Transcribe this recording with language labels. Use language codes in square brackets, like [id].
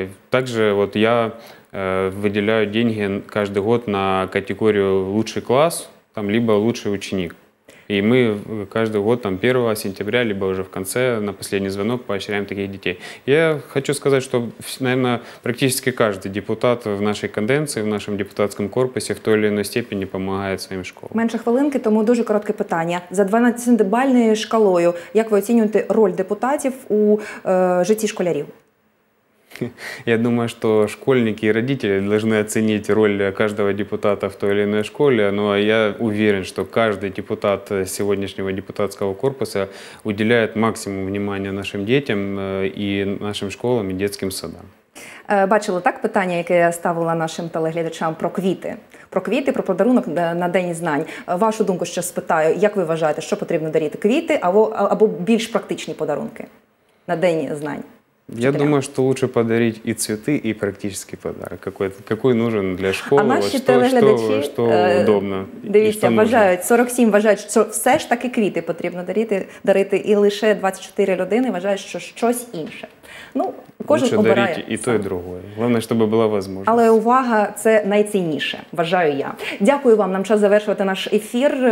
[ru] Также вот я выделяю деньги каждый год на категорию «Лучший класс», там, либо «Лучший ученик». И мы каждый год там, 1 сентября, либо уже в конце, на последний звонок, поощряем таких детей. Я хочу сказать, что, наверное, практически каждый депутат в нашей конденции, в нашем депутатском корпусе в той или иной степени помогает своим школам. [uk] Меньше хвилинки, тому дуже коротке питання. За 12-бальною шкалою, як ви оцінюєте роль депутатів у житті школярів? [ru] Я думаю, что школьники и родители должны оценить роль каждого депутата в той или иной школе, но я уверен, что каждый депутат сегодняшнего депутатского корпуса уделяет максимум внимания нашим детям и нашим школам и детским садам. [uk] Бачили, так, питання, яке я ставила нашим телеглядачам про квіти? Про квіти, про подарунок на День знань. Вашу думку ще спитаю, як ви вважаєте, що потрібно дарити, квіти або більш практичні подарунки на День знань? [ru] Я думаю, что лучше подарить и цветы, и практический подарок. Какой нужен для школы, что удобно. [uk] Дивіться, вважають, 47 вважають, що все ж таки квіти потрібно дарити, і лише 24 людини вважають, що щось інше. Ну, кожен [ru] лучше [uk] обирає дарити і то, і друге. Головне, щоб була можливість. Але увага – це найцінніше, вважаю я. Дякую вам, нам час завершувати наш ефір.